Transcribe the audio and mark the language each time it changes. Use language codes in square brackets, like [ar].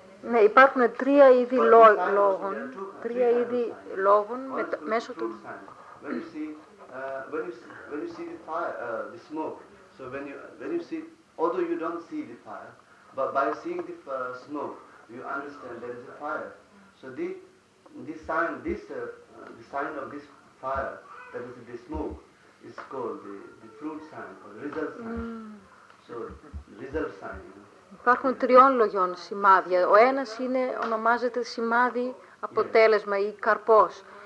[el] Ναι, υπάρχουν τρία είδη λόγων. Τρία είδη λόγων μέσω του. [en] When you see the fire, the smoke. So when you see, although you don't see the fire, but by seeing the smoke, you understand there is a fire. So the sign of this fire, that is the smoke, is called the fruit sign or the result sign. So result sign. You know. [el] Υπάρχουν τριών λογιών σημάδια. Ο ένας είναι ονομάζεται σημάδι αποτέλεσμα ή καρπός.